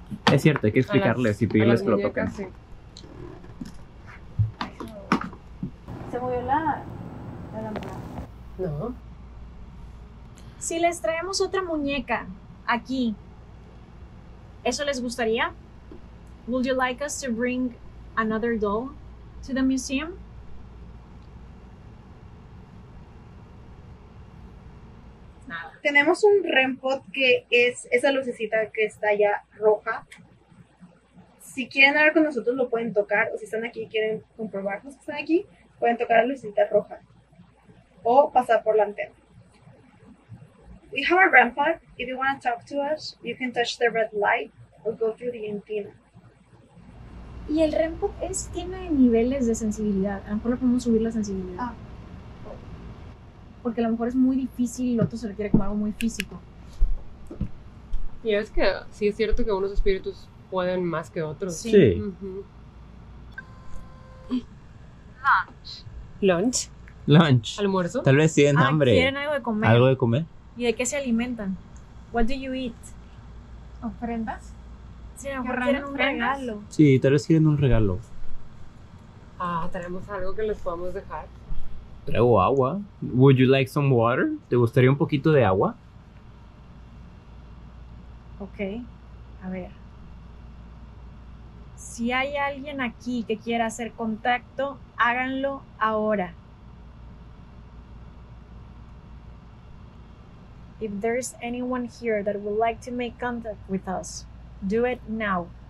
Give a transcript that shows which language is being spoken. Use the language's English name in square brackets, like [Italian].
[Spanish] Es cierto, hay que explicarles y pedirles que lo toquen. Sí. ¿Se movió la lámpara? No. Si les traemos otra muñeca aquí, ¿eso les gustaría? [English] Would you like us to bring another doll to the museum? [Spanish] Tenemos un rempot que es esa lucecita que está ya roja. Si quieren hablar con nosotros lo pueden tocar, o si están aquí y quieren comprobarnos si están aquí, pueden tocar la lucecita roja o pasar por la antena. [English] We have a rempot. If you want to talk to us, you can touch the red light or go through the antenna. [Spanish] Y el rempot es tiene niveles de sensibilidad. A lo mejor lo podemos subir la sensibilidad. Ah. Porque a lo mejor es muy difícil y el otro se requiere como algo muy físico. Y es que sí es cierto que unos espíritus pueden más que otros. Sí. [English] Lunch. Lunch. Lunch. [Spanish] Almuerzo. Tal vez tienen hambre. ¿Quieren algo de comer? ¿Algo de comer? ¿Y de qué se alimentan? [English] What do you eat? [Spanish] ¿Ofrendas? Sí, a lo mejor quieren un regalo. Sí, tal vez quieren un regalo. Ah, tenemos algo que les podamos dejar. Traigo agua. [English] Would you like some water? [Spanish] ¿Te gustaría un poquito de agua? Ok, a ver. Si hay alguien aquí que quiera hacer contacto, háganlo ahora. [English] If there's anyone here that would like to make contact with us, do it now.